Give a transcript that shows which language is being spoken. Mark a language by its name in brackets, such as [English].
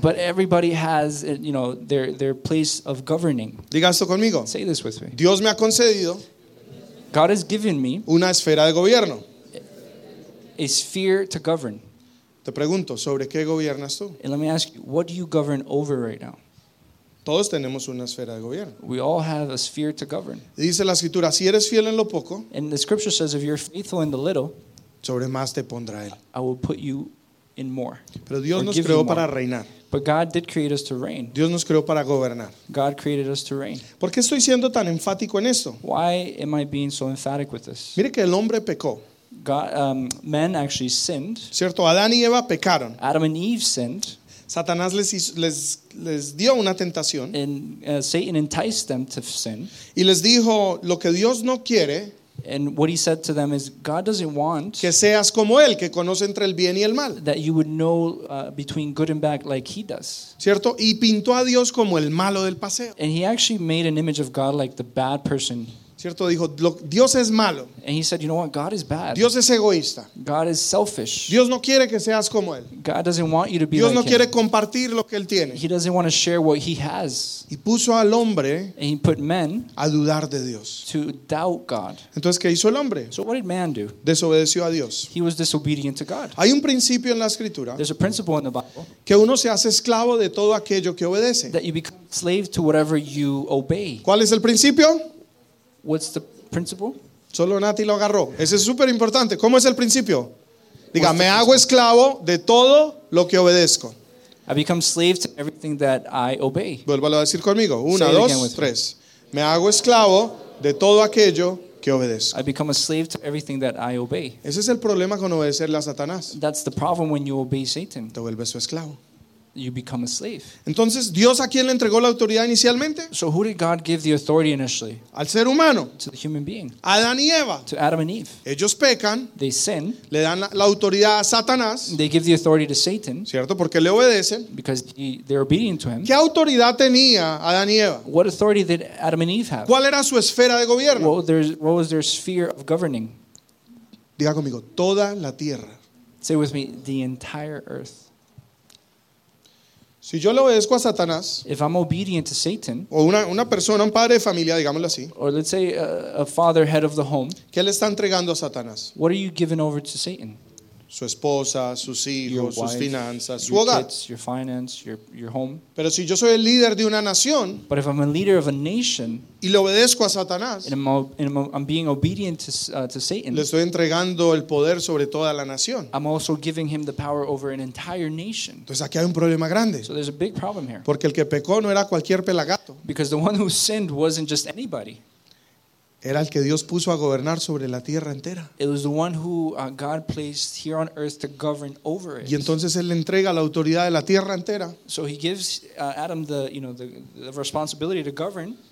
[English] But everybody has, you know, their place of governing. [Spanish] Diga esto conmigo. [English] Say this with me. [Spanish] Dios me ha concedido. [English] God has given me [Spanish] una esfera de gobierno. [English] A sphere to govern. [Spanish] Te pregunto, ¿sobre qué gobiernas tú? [English] And let me ask you, what do you govern over right now? [Spanish] Todos tenemos una esfera de gobierno. [English] We all have a sphere to govern. [Spanish] Dice la escritura, si eres fiel en lo poco. [English] And the scripture says, if you're faithful in the little. [Spanish] Sobre más te pondrá él. [English] I will put you in more. [Spanish] Pero Dios nos creó para reinar. [English] But God did create us to reign. [Spanish] Dios nos creó para gobernar. [English] God created us to reign. [Spanish] ¿Por qué estoy siendo tan enfático en esto? [English] Why am I being so emphatic with this? [Spanish] Mire que el hombre pecó. [English] God, men actually sinned. [Spanish] Cierto, Adán y Eva pecaron. [English] Adam and Eve sinned. [Spanish] Satanás les dio una tentación. [English] And Satan enticed them to sin. [Spanish] Y les dijo lo que Dios no quiere. [English] And what he said to them is, God doesn't want [Spanish] que seas como él, que conoce entre el bien y el mal. [English] That you would know between good and bad like he does. [Spanish] ¿Cierto? Y pintó a Dios como el malo del paseo. [English] And he actually made an image of God like the bad person. [Spanish] ¿Cierto? Dijo, Dios es malo. [English] And he said, you know what? God is bad. [Spanish] Dios es egoísta. [English] God is selfish. [Spanish] Dios no quiere que seas como él. [English] God doesn't want you to be [Spanish] Dios [English] like [Spanish] no [English] him. [Spanish] Quiere compartir lo que él tiene. [English] He doesn't want to share what he has. [Spanish] Y puso al hombre [English] and he put men [Spanish] a dudar de Dios. [English] To doubt God. [Spanish] Entonces, ¿qué hizo el hombre? [English] So what did man do? [Spanish] Desobedeció a Dios. [English] He was disobedient to God. [Spanish] Hay un principio en la escritura. [English] There's a principle in the Bible. [Spanish] Que uno se hace esclavo de todo aquello que obedece. [English] That you become slave to whatever you obey. [Spanish] ¿Cuál es el principio? [English] What's the principle? [Spanish] Solo Nati lo agarró. Ese es súper importante. ¿Cómo es el principio? Diga, me principle? Hago esclavo de todo lo que obedezco. [English] I become slave to everything that I obey. [Spanish] Vuélvalo a decir conmigo. Una, dos, tres. Me hago esclavo de todo aquello que obedezco. [English] I become a slave to everything that I obey. [Spanish] Ese es el problema con obedecerle a Satanás. [English] That's the problem when you obey Satan. [Spanish] Te vuelves su esclavo. [English] You become a slave. [Spanish] Entonces, ¿Dios a quién le entregó la autoridad inicialmente? [English] So who did God give the authority initially? [Spanish] Al ser humano. [English] To the human being. [Spanish] A Adán y Eva. [English] To Adam and Eve. [Spanish] Ellos pecan. [English] They sin. [Spanish] Le dan la autoridad a Satanás. [English] They give the authority to Satan. [Spanish] ¿Cierto? Porque le obedecen. [English] Because they're obedient to him. [Spanish] ¿Qué autoridad tenía Adán y Eva? [English] What authority did Adam and Eve have? [Spanish] ¿Cuál era su esfera de gobierno? [English] What was their sphere of governing? [Spanish] Diga conmigo, toda la tierra. [English] Say with me, the entire earth. [Spanish] Si yo le obedezco a Satanás, [English] if I'm obedient to Satan, [Spanish] o una persona, un padre de familia, digámoslo así, [English] or let's say a father, head of the home, [Spanish] ¿qué le está entregando a Satanás? [English] What are you giving over to Satan? [Spanish] Su esposa, sus hijos, [English] your wife, [Spanish] sus finanzas, [English] your [Spanish] su hogar. [English] Kids, your finance, your home. [Spanish] Pero si yo soy el líder de una nación, [English] but if I'm a leader of a nation, [Spanish] y le obedezco a Satanás, [English] and I'm being obedient to Satan, [Spanish] le estoy entregando el poder sobre toda la nación. [English] I'm also giving him the power over an entire nation. [Spanish] Entonces aquí hay un problema grande. [English] So there's a big problem here. [Spanish] Porque el que pecó no era cualquier pelagato. [English] Because the one who sinned wasn't just anybody. [Spanish] Era el que Dios puso a gobernar sobre la tierra entera. [English] It was the one who God placed here on earth to govern over it. [Spanish] Y entonces él le entrega la autoridad de la tierra entera. [English] So he gives Adam the, you know, the responsibility to govern.